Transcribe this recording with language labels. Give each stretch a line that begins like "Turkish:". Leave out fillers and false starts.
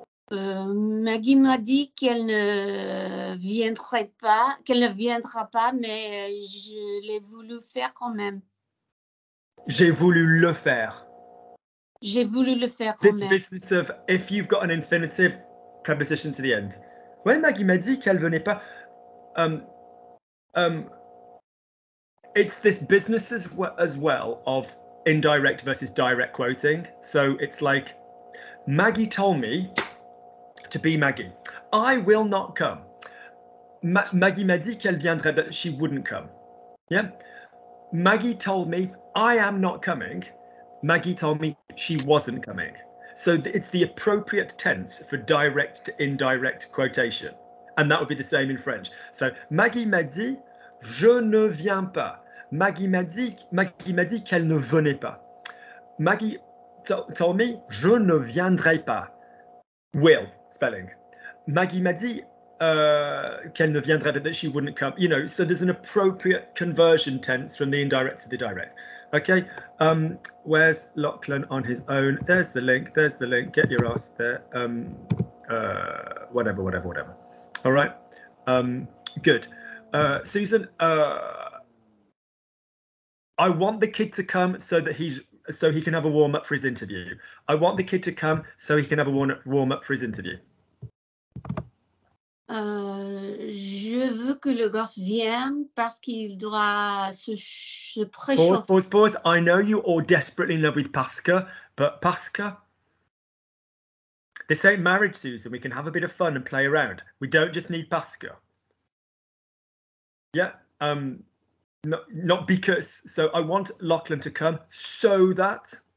French: Maggie m'a dit qu'elle ne viendrait pas, qu'elle ne viendra pas, mais je l'ai voulu faire quand même.
English: This business of, if you've got an infinitive preposition to the end.
French: Ouais, Maggie m'a dit qu'elle venait pas.
English: It's this business as well of indirect versus direct quoting. So it's like, Maggie told me to be Maggie. I will not come.
French: Maggie m'a dit qu'elle viendrait,
English: but she wouldn't come. Yeah. Maggie told me I am not coming. Maggie told me she wasn't coming. So it's the appropriate tense for direct to indirect quotation. And that would be the same in French.
French: So Maggie m'a dit, je ne viens pas. Maggie m'a dit qu'elle ne venait pas.
English: Maggie told me,
French: je ne viendrai pas.
English: Will, spelling.
French: Maggie m'a dit, qu'elle ne viendrait pas,
English: that she wouldn't come. You know, so there's an appropriate conversion tense from the indirect to the direct. Okay, where's Lachlan on his own? There's the link, there's the link. Get your ass there. Whatever, whatever, whatever. All right, good. Susan, I want the kid to come so that he's so he can have a warm up for his interview. I want the kid to come so he can have a warm up for his interview.
French: Je veux que le gosse vienne parce qu'il doit se préchauffer.
English: Pause. I know you all desperately in love with
French: parce que,
English: but parce que. This ain't marriage, Susan. We can have a bit of fun and play around. We don't just need
French: parce que.
English: Yeah. Not because. So I want Lachlan to come so that.